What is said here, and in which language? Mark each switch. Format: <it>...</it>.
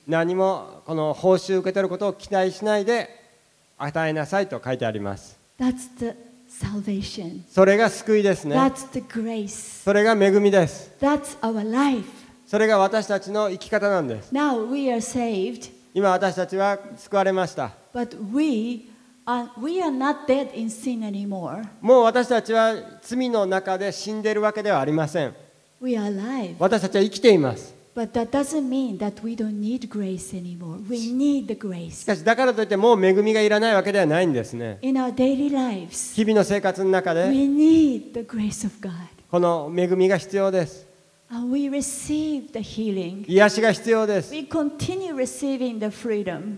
<ja>何もこの報酬を受け取ることを期待しないで与えなさいと書いてあります。</ja> <en>That's theSalvation.</en> <ja>それが救いですね。</ja> <en>That's the grace.</en> <ja>それが恵みです。</ja> <en>That's our life.</en> <ja>それが私たちの生き方なんです。</ja> <en>Now we are saved.</en> <ja>今私たちは救われました。</ja> <en>But we are not dead in sin anymore.</en> <ja>もう私たちは罪の中で死んでるわけではありません。</ja> <en>We are alive.</en> <ja>私たちは生きています。</ja> <en>But that doesn't mean that we don't need grace anymore. We need the grace.</en> <ja>しかしだからといってもう恵みがいらないわけではないんですね。</ja> <en>In our daily lives,</en> <ja>日々の生活の中で、</ja> <en>we need the grace of God.</en> <ja>この恵みが必要です。</ja> <en>And we receive the healing.</en> <ja>癒しが必要です。</ja> <en>We continue receiving the freedom.</en>